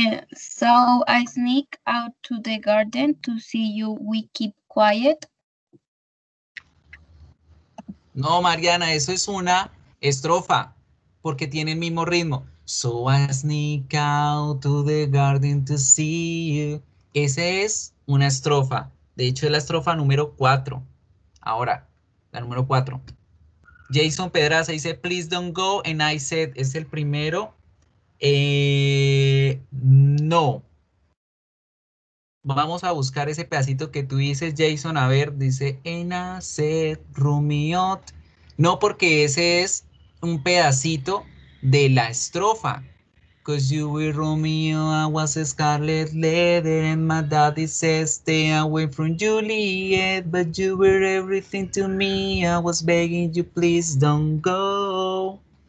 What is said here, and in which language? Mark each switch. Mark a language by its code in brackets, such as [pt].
[en] So, I sneak out to the garden to see you. We keep quiet. [es] No, Mariana, eso es una estrofa, porque tiene el mismo ritmo. [en] So I sneak out to the garden to see you. [es] Esa es una estrofa. De hecho, es la estrofa número 4. Ahora, la número 4. Jason Pedraza dice, [en] please don't go. And I said, [es] es el primero. No. Vamos a buscar ese pedacito que tú dices, Jason. A ver, dice, [en] and I said, Rumiot. [es] No, porque ese es un pedacito de la estrofa. [en] Cause you were Romeo, I was Scarlet Leather, and my daddy says stay away from Juliet, but you were everything to me, I was begging you, please don't go.